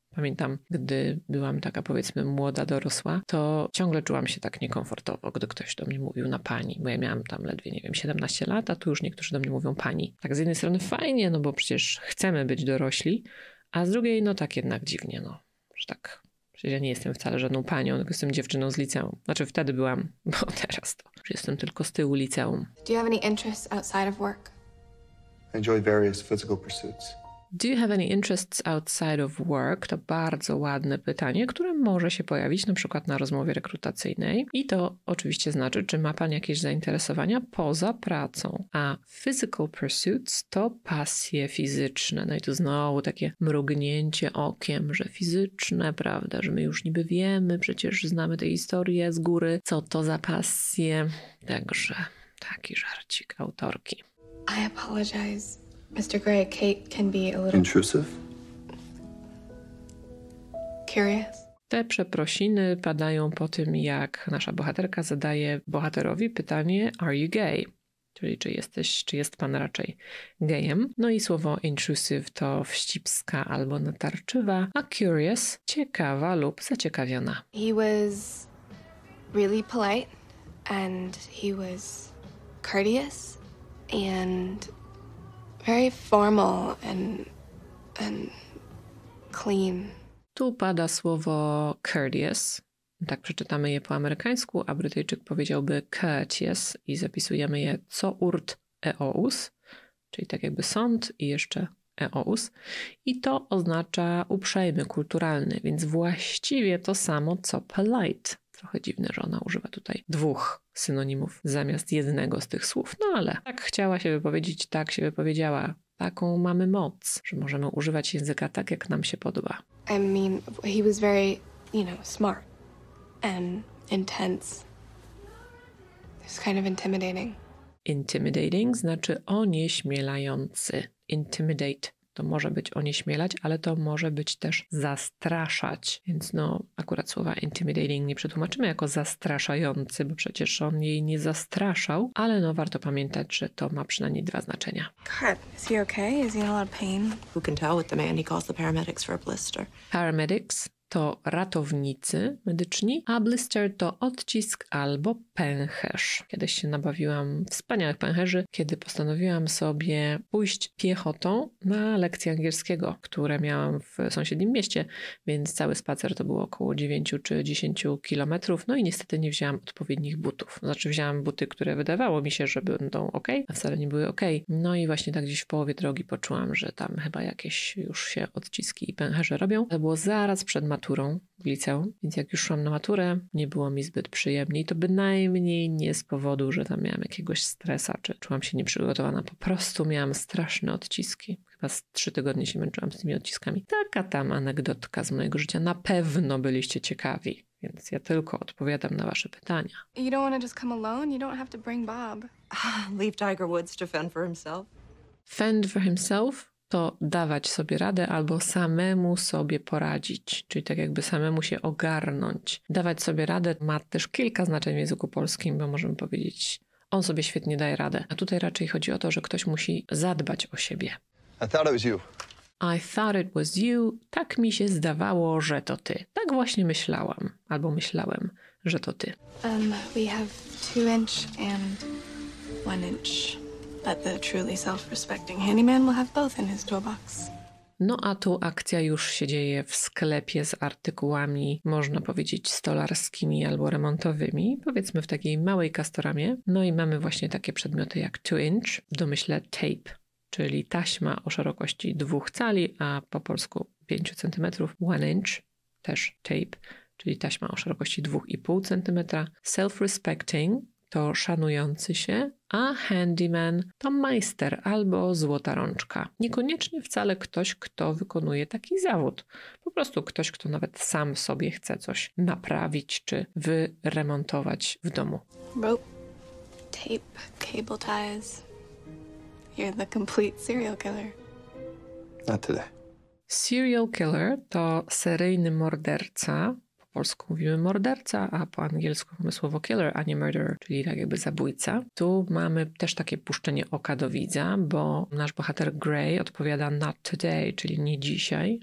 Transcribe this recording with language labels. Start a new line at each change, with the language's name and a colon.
Polish: Pamiętam, gdy byłam taka, powiedzmy, młoda, dorosła, to ciągle czułam się tak niekomfortowo, gdy ktoś do mnie mówił na pani, bo ja miałam tam ledwie, nie wiem, 17 lat, a tu już niektórzy do mnie mówią pani. Tak z jednej strony fajnie, no bo przecież chcemy być dorośli, a z drugiej no tak jednak dziwnie, no, że tak, przecież ja nie jestem wcale żadną panią, tylko jestem dziewczyną z liceum. Znaczy wtedy byłam, bo teraz to, że jestem tylko z tyłu liceum.
English: Do you have any interests outside of work? I enjoy various physical pursuits. Do you have any interests outside of work?
Polish: To bardzo ładne pytanie, które może się pojawić na przykład na rozmowie rekrutacyjnej. I to oczywiście znaczy, czy ma pan jakieś zainteresowania poza pracą. A
English: physical pursuits
Polish: to pasje fizyczne. No i tu znowu takie mrugnięcie okiem, że fizyczne, prawda, że my już niby wiemy, przecież znamy tę historię z góry, co to za pasje. Także taki żarcik autorki.
English: I apologize. Mr. Gray, Kate can be a little... Intrusive? Curious?
Polish: Te przeprosiny padają po tym, jak nasza bohaterka zadaje bohaterowi pytanie
English: Are you gay?
Polish: Czyli czy jest pan raczej gejem? No i słowo intrusive to wścibska albo natarczywa, a curious, ciekawa lub zaciekawiona.
English: He was really polite and he was courteous and... Very formal and clean.
Polish: Tu pada słowo courteous. Tak przeczytamy je po amerykańsku, a Brytyjczyk powiedziałby courteous i zapisujemy je co urt eous, czyli tak jakby sąd i jeszcze eous. I to oznacza uprzejmy, kulturalny, więc właściwie to samo co polite. Trochę dziwne, że ona używa tutaj dwóch synonimów zamiast jednego z tych słów. No ale tak chciała się wypowiedzieć, tak się wypowiedziała. Taką mamy moc, że możemy używać języka tak, jak nam się podoba.
English: I mean, he was very, you know, smart and intense. It's kind of intimidating.
Polish: Intimidating znaczy onieśmielający. Intimidate. To może być onieśmielać, ale to może być też zastraszać. Więc no, akurat słowa intimidating nie przetłumaczymy jako zastraszający, bo przecież on jej nie zastraszał. Ale no, warto pamiętać, że to ma przynajmniej dwa znaczenia.
English: God, is he okay? Is he in a lot of pain? Who can tell with the man? He calls the paramedics for a blister.
Polish: Paramedics to ratownicy medyczni, a blister to odcisk albo pęcherz. Kiedyś się nabawiłam wspaniałych pęcherzy, kiedy postanowiłam sobie pójść piechotą na lekcję angielskiego, które miałam w sąsiednim mieście, więc cały spacer to było około 9 czy 10 kilometrów, no i niestety nie wzięłam odpowiednich butów. Znaczy wzięłam buty, które wydawało mi się, że będą ok, a wcale nie były ok. No i właśnie tak gdzieś w połowie drogi poczułam, że tam chyba jakieś już się odciski i pęcherze robią. To było zaraz przed maturą w liceum, więc jak już szłam na maturę, nie było mi zbyt przyjemnie i to bynajmniej nie z powodu, że tam miałam jakiegoś stresa, czy czułam się nieprzygotowana. Po prostu miałam straszne odciski. Chyba z 3 tygodnie się męczyłam z tymi odciskami. Taka tam anegdotka z mojego życia. Na pewno byliście ciekawi, więc ja tylko odpowiadam na wasze pytania.
English: You don't want to just come alone? You don't have to bring Bob. Leave Tiger Woods to fend for himself. Fend for himself?
Polish: To dawać sobie radę albo samemu sobie poradzić, czyli tak jakby samemu się ogarnąć. Dawać sobie radę ma też kilka znaczeń w języku polskim, bo możemy powiedzieć, on sobie świetnie daje radę. A tutaj raczej chodzi o to, że ktoś musi zadbać o siebie.
English: I thought it was you. I thought it was you.
Polish: Tak mi się zdawało, że to ty. Tak właśnie myślałam, albo myślałem, że to ty.
English: We have 2-inch and 1-inch. But the truly self-respecting handyman will have both in his toolbox.
Polish: No a tu akcja już się dzieje w sklepie z artykułami, można powiedzieć, stolarskimi albo remontowymi, powiedzmy w takiej małej kastoramie. No i mamy właśnie takie przedmioty jak 2-inch, w domyśle tape, czyli taśma o szerokości 2 cali, a po polsku 5 cm, 1-inch, też tape, czyli taśma o szerokości 2,5 cm, self-respecting, to szanujący się, a handyman to majster albo złota rączka. Niekoniecznie wcale ktoś, kto wykonuje taki zawód. Po prostu ktoś, kto nawet sam sobie chce coś naprawić czy wyremontować w domu.
English: Rope, tape, cable ties. You're the complete serial killer.
Polish: Na tyle. Serial killer to seryjny morderca. W polsku mówimy morderca, a po angielsku mamy słowo killer, a nie murderer, czyli tak jakby zabójca. Tu mamy też takie puszczenie oka do widza, bo nasz bohater Gray odpowiada
English: not today,
Polish: czyli nie dzisiaj.